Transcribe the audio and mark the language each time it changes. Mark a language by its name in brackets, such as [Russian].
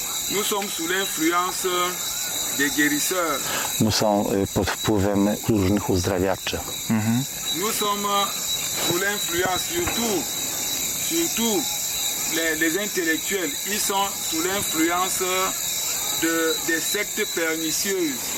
[French] Nous sommes sous l'influence des guérisseurs. [Polish] My są pod wpływem różnych uzdrawiaczy. [French] Nous sommes sous l'influence surtout. Surtout les intellectuels, ils sont sous l'influence des sectes pernicieuses.